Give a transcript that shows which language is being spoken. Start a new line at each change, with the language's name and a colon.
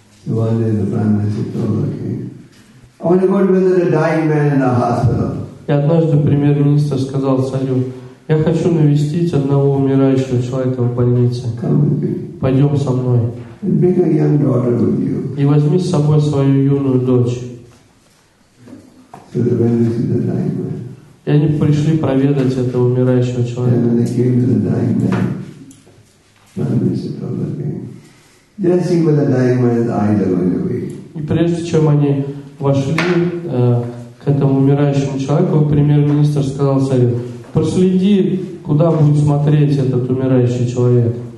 English: I want to go visit a dying man in the hospital.
Russian: И однажды премьер-министр сказал царю, я хочу навестить одного умирающего человека в больнице. Пойдем со мной.
English: And bring a young daughter with you.
Russian: И возьми с собой свою юную дочь.
English: So they went to see the dying man.
Russian: И они пришли проведать этого умирающего человека.
English: And when they came to the dying man, prime minister told them, just see where the dying man's eyes are going to be.
Russian: И прежде чем они вошли к этому умирающему человеку, премьер-министр сказал царю, проследи, куда будет смотреть этот умирающий человек.